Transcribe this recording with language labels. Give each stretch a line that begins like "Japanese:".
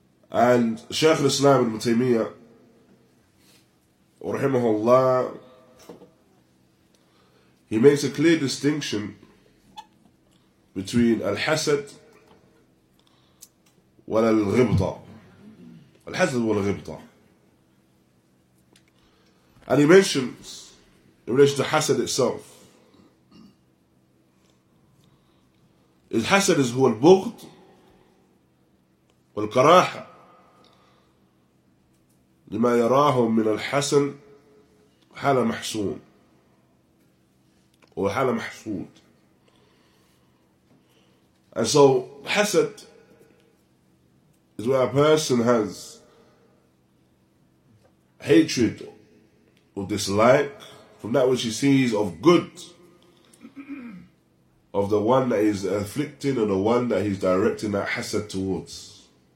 English: And Shaykh al-Islam ibn Taymiyyah rahimahullah, he makes a clear distinction between al-hasad wal al-ghibta. Al-hasad wal al-ghibta. And he mentions in relation to hasad itself,
Arabic: الحسد هو البغض والكراهة لما يراه من الحسن حالة محسون وحالة محسود.
English: And so حسد is where a person has hatred or dislike from that which he sees of good of the one that he's afflicting or the one that he's directing that hasad towards.